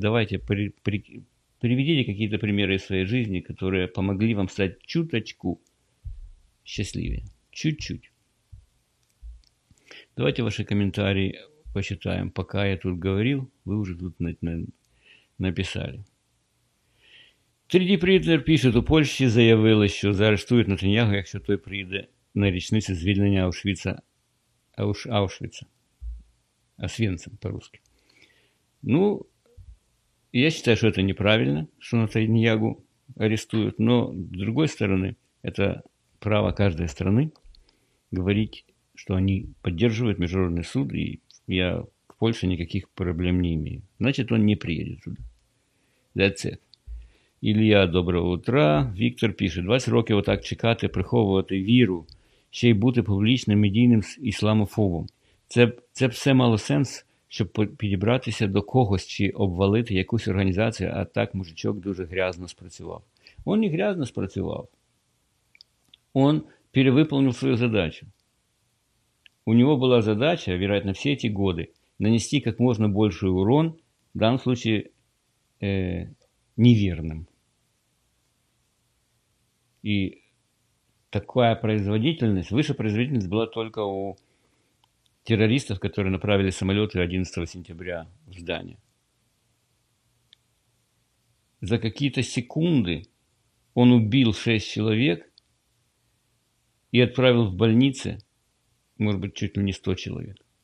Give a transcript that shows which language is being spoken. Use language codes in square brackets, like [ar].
[ru] Давайте приведите какие-то примеры из своей жизни, которые помогли вам стать чуточку счастливее. Чуть-чуть. Давайте ваши комментарии посчитаем. Пока я тут говорил, вы уже тут написали. [uk] 3D Printer пишет: у Польщі заявили, що заарештують Нетаньяху, якщо той прийде на річницю звільнення Аушвіца. [ru] Освенцем по-русски. Ну, я считаю, что это неправильно, что Нетаньяху арестуют, но с другой стороны, это право каждой страны говорить, что они поддерживают международный суд, и я к Польше никаких проблем не имею. Значит, он не приедет туда. [en] That's it. [uk] Ілія, [ru] доброго утра. [uk] Віктор пише: 20 років отак чекати, приховувати віру, ще й бути публічним медійним ісламофобом. Це все мало сенс, щоб підібратися до когось чи обвалити якусь організацію, а так мужичок дуже грязно спрацював. Він не грязно спрацював. Він перевиповнив свою задачу. У нього була задача, вероятно, всі ці роки, нанести як можна більший урон, в даному випадку, невірним. [ru] И такая производительность, выше производительность была только у террористов, которые направили самолеты 11 сентября в здание. За какие-то секунды он убил 6 человек и отправил в больницу, может быть, чуть ли не 100 человек.